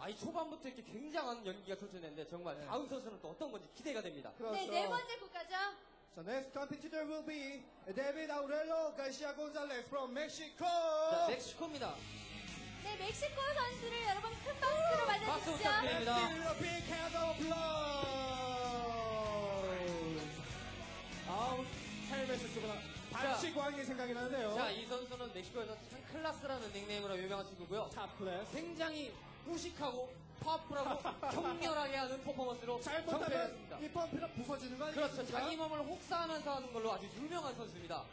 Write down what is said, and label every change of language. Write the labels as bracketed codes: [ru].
[ko] 아니 초반부터 이렇게 굉장한 연기가 펼쳐졌는데 정말 네. 다음 선수는 또 어떤 건지 기대가 됩니다. 그렇죠. 네, 네 번째 국가죠. [en] So next competitor will be David Aurelio Garcia Gonzalez from Mexico. [ko] 자, 멕시코입니다. 네, 멕시코 선수를 여러분 큰 박수로 맞아주시죠. 박수 부탁드립니다. [en] Let's give you a big hand of applause. [ko] 아우, 헬멧을 쓰거나 반칙 왕의 생각이 나는데요. 자, 이 선수는 멕시코에서 찬클라스라는 닉네임으로 유명한 친구고요. 탑클래스. 굉장히 후식하고 파워풀하고 격렬하게 하는 퍼포먼스로 잘못하면 이 펌프가 부서지는 거 아니겠습니까? 그렇죠. 자기 몸을 혹사하면서 하는 걸로 아주 유명한 선수입니다.